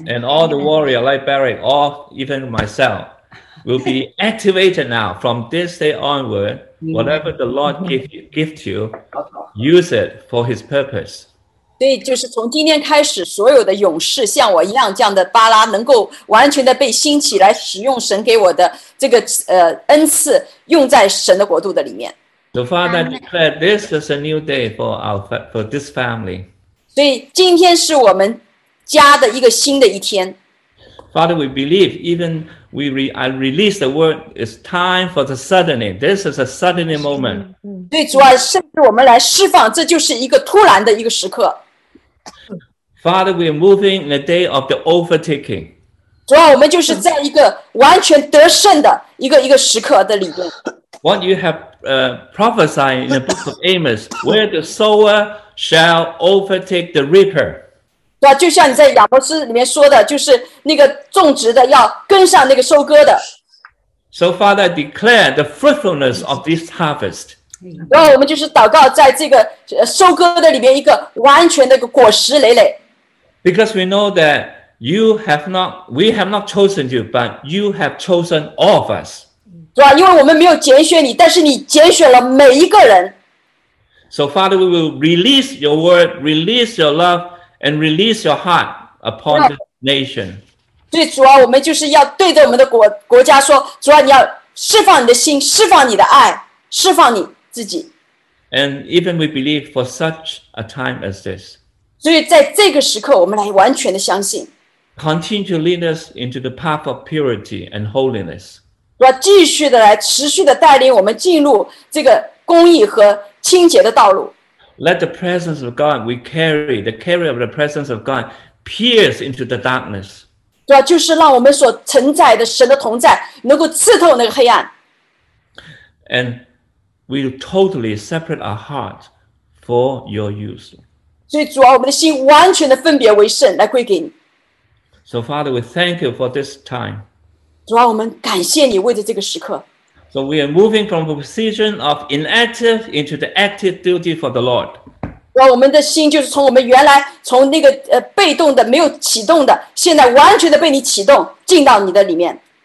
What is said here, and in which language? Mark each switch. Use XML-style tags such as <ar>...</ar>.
<en>And all the warrior, like Barak, all, even myself,will be activated now from this day onward. Whatever the Lord give to you, use it for His purpose.</en> <zh>对，就是从今天开始，所有的勇士像我一样这样的巴拉，能够完全的被兴起来使用神给我的这个恩赐，用在神的国度的里面。</zh> <en>The Father declared, "This is a new day for this family."</en> <zh>所以今天是我们家的一个新的一天。</zh> <en>Father, we believe even. I release the word, it's time for the suddenly. This is a suddenly moment.</en> <zh>对主啊，甚至我们来释放，这就是一个突然的一个时刻。</zh> <en>Father, we are moving in the day of the overtaking.</en> <zh>主啊，我们就是在一个完全得胜的一个时刻的里面。</zh> <en>what you have prophesied in the book of Amos, where the sower shall overtake the reaper.</en> <zh>对啊，就像你在亚伯斯里面说的，就是那个种植的要跟上那个收割的。</zh> <en>So Father, declare the fruitfulness of this harvest.</en> <zh>然后我们就是祷告，在这个收割的里面，一个完全的一个果实累累。</zh> <en>Because we know that we have not chosen you, but you have chosen all of us.</en> <zh>对啊，因为我们没有拣选你，但是你拣选了每一个人。</zh> <en>So Father, we will release your word, release your love. And release your heart upon the nation.</en> <zh>对主啊，我们就是要对着我们的国家说，主啊，你要释放你的心，释放你的爱，释放你自己。</zh> <en>And even we believe for such a time as this.</en> <zh>所以在这个时刻，我们来完全的相信。</zh> <en>Continue to lead us into the path of purity and holiness.</en> <zh>对吧？继续的来，持续的带领我们进入这个公义和清洁的道路。 Let the presence of God we carry, the carry of the presence of God, pierce into the darkness. 对啊，就是让我们所承载的神的同在能够刺透那个黑暗。 And we totally separate our heart for your use. 所以主啊，我们的心完全的分别为圣，来归给你。 So Father, we thank you for this time. 主啊，我们感谢你为着这个时刻。 So we are moving from the position of inactive into the active duty for the Lord. 哇，我们的心就是从我们原来从那个被动的没有启动的，现在完全的被你启动，进到你的里面。</zh>